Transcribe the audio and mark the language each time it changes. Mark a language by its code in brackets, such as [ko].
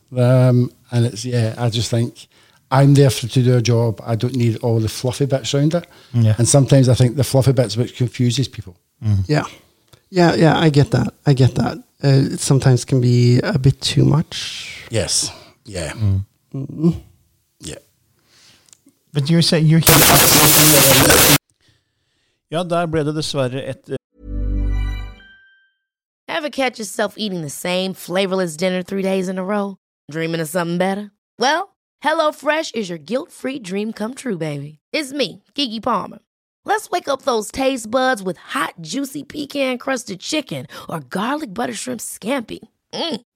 [en] And it's, yeah, I just think I'm there to do a job. I don't need all the fluffy bits around it. Yeah. And sometimes I think the fluffy bits, which confuses people. Mm. Yeah. Yeah. Yeah. I get that. It sometimes can be a bit too much. Yes. Yeah. Mm. Yeah. But you say you can absolutely. [sv] Ja, där blev det dessvärre ett. [en] Ever catch yourself eating the same flavorless dinner 3 days in a row? Dreaming of something better? Well, HelloFresh is your guilt-free dream come true, baby. It's me, Keke Palmer. Let's wake up those taste buds with hot, juicy pecan-crusted chicken or garlic butter shrimp scampi. Mm.